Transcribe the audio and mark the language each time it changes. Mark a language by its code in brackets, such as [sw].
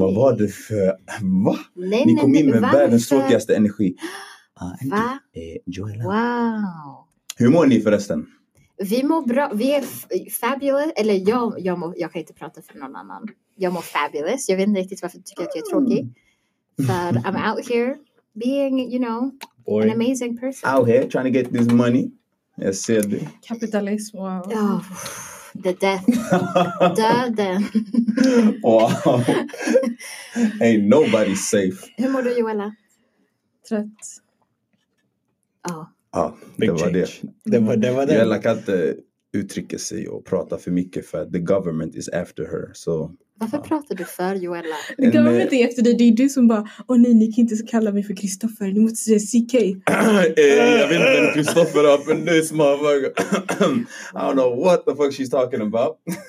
[sv] Vad var det för... Va? Ni kom in med världens tråkigaste energi. Va? Joella. [en] Wow. [sv] Hur mår ni förresten? Vi mår bra. Vi är [en] fabulous. [sv] Eller jag kan inte prata för någon annan. Jag mår [en] fabulous. [sv] Jag vet inte riktigt varför du tycker att jag är tråkig. [en] But I'm out here being, you know... Boy. An amazing person. Out here trying to get this money. Yes, sir. Capitalism, wow. Oh, the death. [sv] Döden. [en] Wow. Ain't nobody safe. [sv] Hur mår du, Joella? Trött. Ja, det var det. Joella kan inte uttrycka sig och prata för mycket för att [en] the government is after her, [sv] så... Varför pratar du för Joella? Det kan man inte efter dig. Det är du som bara, åh nej, ni kan inte så kalla mig för Kristoffer. Ni måste säga CK. Jag vet inte vem Kristoffer är för nu, småbaga. [en] I don't know what the fuck she's talking about.